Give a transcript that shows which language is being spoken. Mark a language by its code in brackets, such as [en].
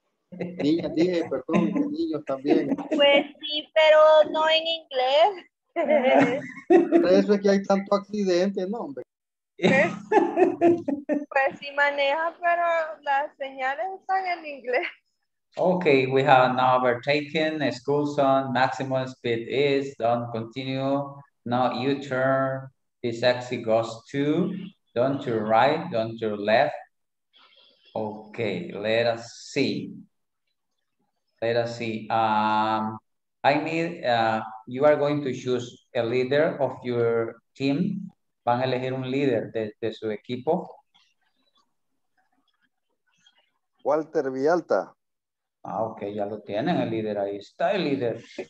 [es] Niñas, dije, perdón, niños también. Pues sí, pero no en inglés. Por eso es que hay tanto accidente, ¿no, hombre? Pues sí maneja, pero las señales están en inglés. [en] Okay, we have an overtaken, a school zone, maximum speed is, don't continue, no U-turn, this exit goes to, don't turn right, don't turn left. Okay, let us see. Let us see. You are going to choose a leader of your team. [es] Van a elegir un líder de su equipo. Walter Villalta. Ah, ok, ya lo tienen el líder, ahí está el líder.